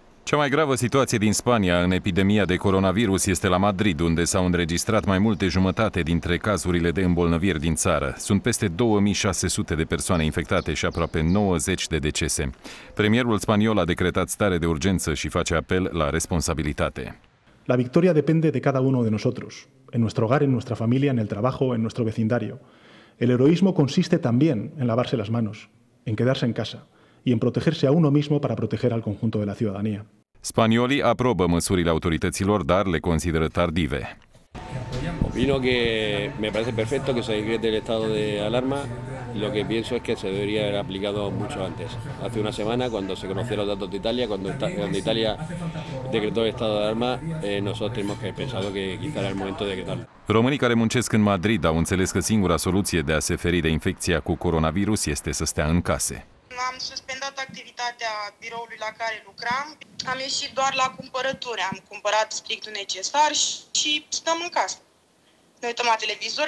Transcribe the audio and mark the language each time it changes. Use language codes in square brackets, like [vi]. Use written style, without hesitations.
[ro] Cea mai gravă situație din Spania în epidemia de coronavirus este la Madrid, unde s-au înregistrat mai mult de jumătate dintre cazurile de îmbolnăviri din țară. Sunt peste 2600 de persoane infectate și aproape 90 de decese. Premierul spaniol a decretat stare de urgență și face apel la responsabilitate. [es] La victoria depinde de cada uno de nosotros, en nuestro hogar, en nuestra familia, en el trabajo, en nuestro vecindario. El heroísmo consiste también en lavarse las manos, en quedarse en casa y en protegerse a uno mismo para proteger al conjunto de la ciudadanía. [ro] Spaniolii aprobă măsurile autorităților, dar le consideră tardive. [es] Opino que me parece perfecto que se decrete el estado de alarma. Lo que pienso es que se debería haber aplicado mucho antes. Hace una semana, cuando se conocieron los datos de Italia, cuando Italia decretó el estado de alarma, nosotros tenemos que haber pensado que quizá era el momento de decretarlo. [ro] Românii care muncesc în Madrid au înțeles că singura soluție de a se feri de infecția cu coronavirus este să stea în case. Am suspendat activitatea biroului la care lucram. Am ieșit doar la cumpărături. Am cumpărat strict necesar și stăm în casă. Ne uităm la televizor.